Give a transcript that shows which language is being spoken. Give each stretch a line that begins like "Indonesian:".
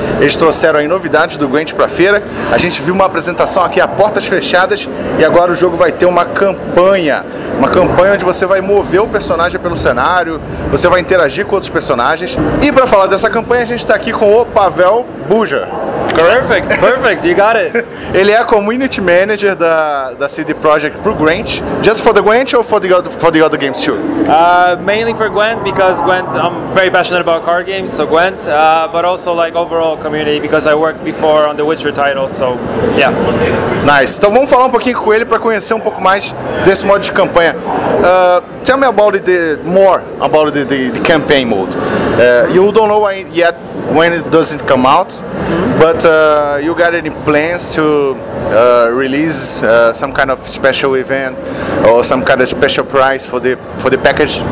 Portuguese: Eles trouxeram aí novidades do Gwent para a feira. A gente viu uma apresentação aqui a portas fechadas e agora o jogo vai ter uma campanha. Uma campanha onde você vai mover o personagem pelo cenário, você vai interagir com outros personagens. E para falar dessa campanha, a gente está aqui com o Pavel Buja.
English: Perfect, perfect, you got it.
Portuguese: Ele é a community manager da CD Projekt pro Gwent.
English: Just for the Gwent or for the other games too? Mainly for Gwent, because Gwent, I'm very passionate about card games, so Gwent. But also like overall community, because I worked before on the Witcher title, so yeah.
Portuguese: Nice, então vamos falar um pouquinho com ele para conhecer um pouco mais desse modo de campanha.
English: Tell me about it, more about the campaign mode. You don't know yet when it doesn't come out, but you got any plans to release some kind of special event or some kind of special price for the package?